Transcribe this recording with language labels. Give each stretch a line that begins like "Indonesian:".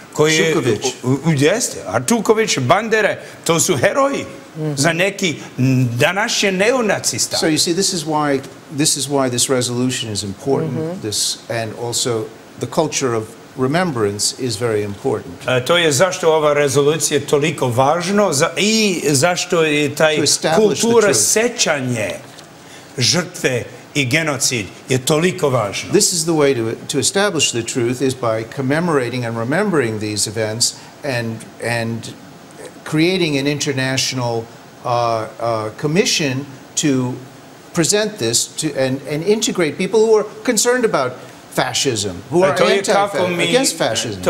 Serbian: Šuković. Jeste, Artuković, Bandere, to su heroji za neki današnje neonacista.
English: So you see, this is why this resolution is important, this, and also the culture of remembrance is very important.
Serbian: To je zašto ova rezolucija toliko važno i zašto je taj kultura sećanje žrtve i genocid je toliko važno.
English: This is the way to establish the truth is by commemorating and remembering these events and creating an international commission to present this to and integrate people who are concerned about fascism, who are against fascism.